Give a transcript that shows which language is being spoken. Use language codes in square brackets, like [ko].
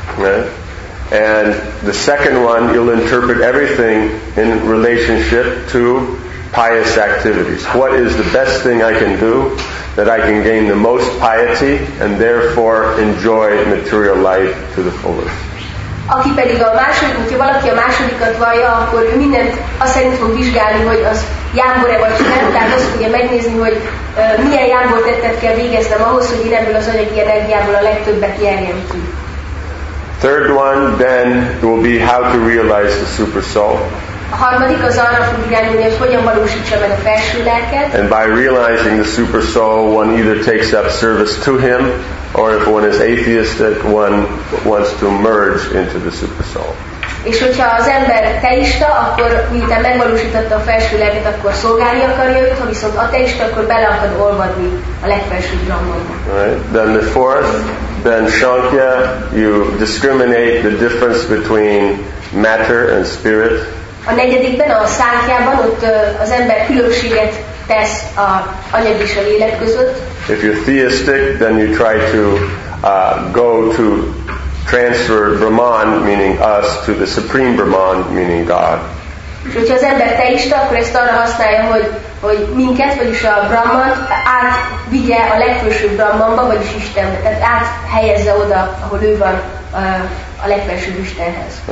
[en] Right. And the second one, you'll interpret everything in relationship to pious activities. What is the best thing I can do that I can gain the most piety and therefore enjoy material life to the fullest? [hu] Aki pedig a második, hogyha valaki a másodikat vallja, akkor ő mindent azt szerint fog vizsgálni, hogy az jámbor-e vagy sem, tehát azt fogja megnézni, hogy milyen jámbor tettet kell végeznem ahhoz, hogy én ebből az anyagi energiából a legtöbbet nyerjem ki. [en] Third one then will be how to realize the super soul. [hu] A harmadik az arra fog irányulni, hogy hogyan valósítsa meg a felső lelket. [en] And by realizing the super soul, one either takes up service to him, or if one is atheistic, one wants to merge into the super soul. [hu] És hogyha az ember teista, akkor miután megvalósította a felső lelket, akkor szolgálni akarja őt, ha viszont ateista, akkor bele akad olvadni a legfelső dzsammába. [en] Right. Then the fourth, then Shankya, you discriminate the difference between matter and spirit. [hu] A negyedikben, a Sankhyában, ott az ember különbséget tesz a anyag és a lélek között. [en] If you're theistic, then you try to go to transfer Brahman, meaning us, to the supreme Brahman, meaning God. [hu] És hogyha az ember teista, akkor ezt arra használja, hogy minket, vagyis a Brahmant átvigye a legfősőbb Brahmanba, vagyis Istenbe. Tehát áthelyezze oda, ahol ő van, a legfősőbb Istenhez.